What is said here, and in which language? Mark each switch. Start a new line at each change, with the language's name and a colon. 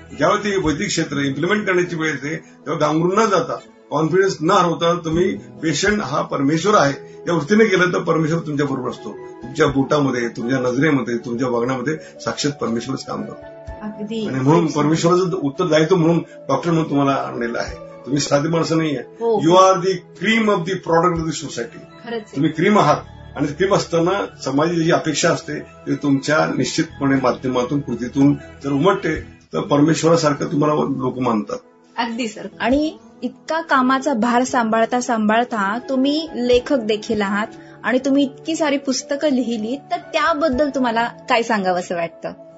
Marathi: ज्यावेळी ती वैद्यक क्षेत्र इम्प्लिमेंट करण्याची वेळ येते तेव्हा गांगरून न जाता कॉन्फिडन्स न हरवता तुम्ही पेशंट हा परमेश्वर आहे या वृत्तीने गेलं तर परमेश्वर तुमच्या बरोबर असतो. तुमच्या बोटामध्ये, तुमच्या नजरेमध्ये, तुमच्या वागण्यामध्ये साक्षात परमेश्वरच काम करतो. आणि म्हणून परमेश्वराचं उत्तर द्यायचं म्हणून डॉक्टर म्हणून तुम्हाला आणलेलं आहे. तुम्ही साधी माणसं नाही आहे.
English: You are the cream of the product of the society.
Marathi: तुम्ही क्रीम आहात आणि क्रीम असताना समाजाची जी अपेक्षा असते ती तुमच्या निश्चितपणे माध्यमातून कृतीतून जर उमटते तर परमेश्वरासारखं तुम्हाला लोक मानतात. अगदी सर. आणि इतका कामाचा भार सांभाळता सांभाळता तुम्ही लेखक देखील आहात आणि तुम्ही इतकी सारी पुस्तकं लिहिली तर त्याबद्दल तुम्हाला काय सांगावं असं वाटतं?